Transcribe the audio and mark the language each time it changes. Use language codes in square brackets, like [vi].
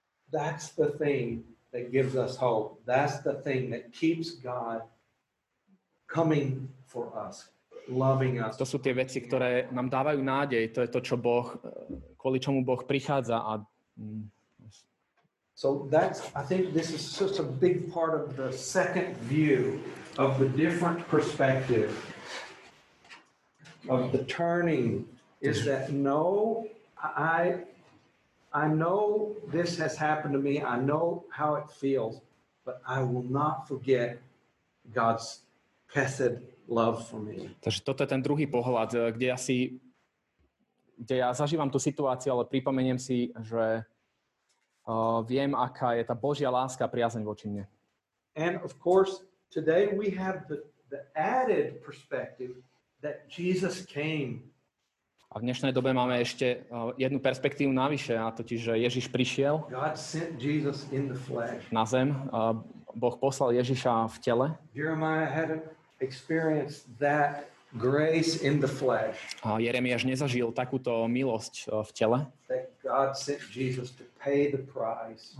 [en] That's the thing that gives us hope. That's the thing that keeps God coming for us. loving us. [sk] To sú tie veci, ktoré nám dávajú nádej. To je to, čo Boh, kvôli čomu Boh prichádza. A [en] so that's, I think this is such a big part of the second view of the different perspective of the turning is that no, I know this has happened to me. I know how it feels, but I will not forget God's chesed love for me. [sk] Takže toto je ten druhý pohľad, kde ja si, kde ja zažívam tú situáciu, ale pripomeniem si, že viem, aká je tá Božia láska a priazeň voči mne. [en] And of course, today we have the added perspective that Jesus came. [sk] A v dnešnej dobe máme ešte jednu perspektívu navyše, a totiž, že Ježiš prišiel. [en] God sent Jesus in the flesh. [sk] Na zem. Boh poslal Ježiša v tele. [en] Jeremiah had experienced that grace in the flesh. [sk] A Jeremiáš nezažil takúto milosť v tele. [en] That God sent Jesus to pay the price.